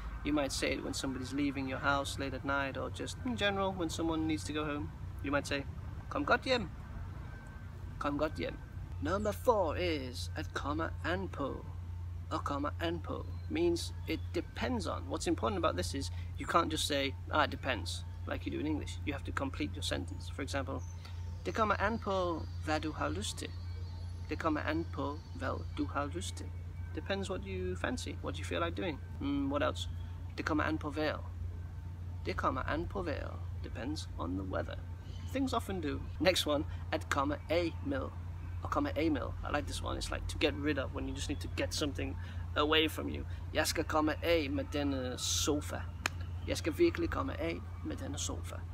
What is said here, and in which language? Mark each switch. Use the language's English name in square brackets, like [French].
[English] You might say it when somebody's leaving your house late at night, or just in general when someone needs to go home. You might say, [Danish] komme godt hjem. Komme godt hjem. [English] Number 4 is [Danish] at komme an på. [English] Or [Danish] komme an på. [English] Means it depends on. What's important about this is you can't just say, it depends, like you do in English. You have to complete your sentence. For example, [Danish] det kommer an på hvad du har lyst til. Det kommer an på hvad du har lyst til. [English] Depends what you fancy, what you feel like doing. What else? [Danish] Det kommer an på vejr. Det kommer an på vejr. [English] Depends on the weather. Things often do. Next one, [Danish] at komme af med. [English] Or [Danish] komme af med. [English] I like this one. It's like to get rid of when you just need to get something away from you. [Danish] Jeg skal komme af med denne sofa. Jeg skal virkelig komme af med denne sofa.